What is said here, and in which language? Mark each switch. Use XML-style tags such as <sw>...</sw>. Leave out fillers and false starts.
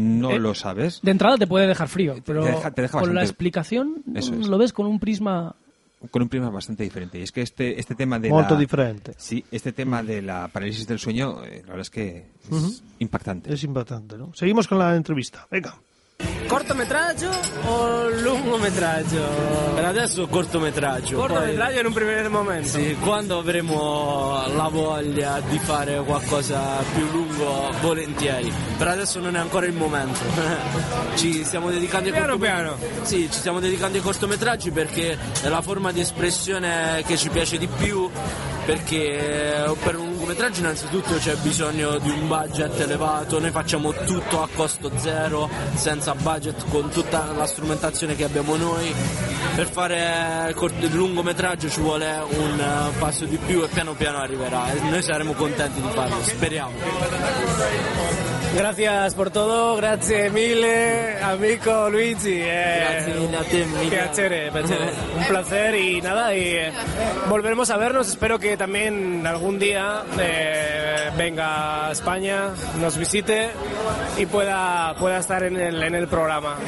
<es>No lo sabes... De entrada te puede dejar frío, pero te deja con la explicación lo ves con un prisma... Con un prisma bastante diferente. Y es que este tema de</es> <it>molto</it> <es>la... diferente. Sí, este tema de la parálisis del sueño, la verdad es que es impactante. Es impactante, ¿no? Seguimos con la entrevista. Venga.</es> <it>Cortometraggio o lungometraggio? Per adesso cortometraggio. Cortometraggio in un primo momento. Sì, quando avremo la voglia di fare qualcosa più lungo, volentieri. Per adesso non è ancora il momento. Ci stiamo dedicando piano piano. Sì, ci stiamo dedicando ai cortometraggi perché è la forma di espressione che ci piace di più. Perché per un lungometraggio innanzitutto c'è bisogno di un budget elevato, noi facciamo tutto a costo zero, senza budget, con tutta la strumentazione che abbiamo noi. Per fare il lungometraggio ci vuole un passo di più e piano piano arriverà, e noi saremo contenti di farlo, speriamo. Grazie per tutto, grazie mille amico Luigi. Grazie mille a te, mille. Piacere.</it> <es>Un placere e nada, volveremo a vernos,</es> <it>spero che</it> <es>también algún día venga a España, nos visite y pueda estar en el programa.</es>